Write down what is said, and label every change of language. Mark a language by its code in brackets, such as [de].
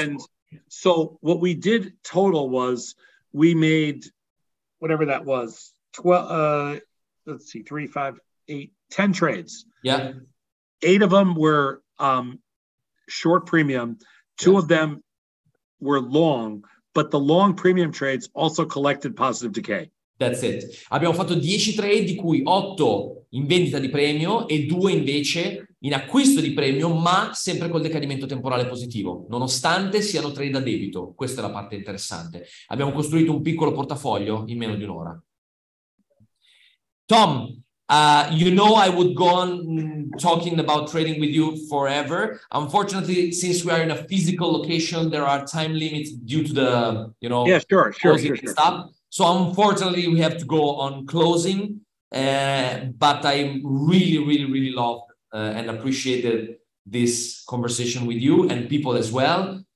[en] And so what we did total was we made whatever that was, 12, let's see, 3, 5, 8, 10 trades. Yeah. 8 of them were short premium. 2 yes. of them were long, but the long premium trades also collected positive decay. That's it. [it] Abbiamo fatto 10 trade, di cui 8 in vendita di premio e 2 invece in acquisto di premio, ma sempre col decadimento temporale positivo, nonostante siano trade a debito. Questa è la parte interessante. Abbiamo costruito un piccolo portafoglio in meno di un'ora. [en] Tom, you know I would go on talking about trading with you forever. Unfortunately, since we are in a physical location, there are time limits due to the, you know, yeah, sure. Stop. So unfortunately, we have to go on closing, but I really, really, really love and appreciated this conversation with you and people as well.